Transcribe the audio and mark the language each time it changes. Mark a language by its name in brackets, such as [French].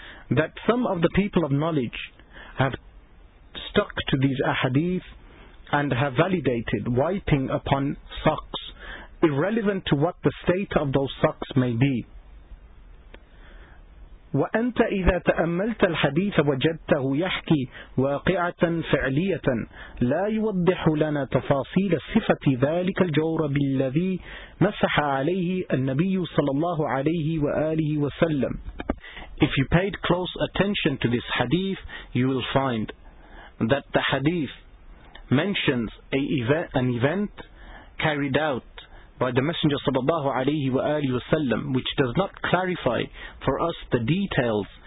[English] That some of the people of knowledge have stuck to these ahadith and have validated wiping upon socks, irrelevant to what the state of those socks may be. [Arabic] وأنت إذا تأملت الحديث وجدته يحكي واقعة فعلية لا يوضح لنا تفاصيل صفة ذلك الجورب الذي مسح عليه النبي صلى الله عليه وآله وسلم. [English] If you paid close attention to this hadith, you will find that the hadith mentions an event carried out by the Messenger sallallahu alayhi wa alihi wa sallam, which does not clarify for us the details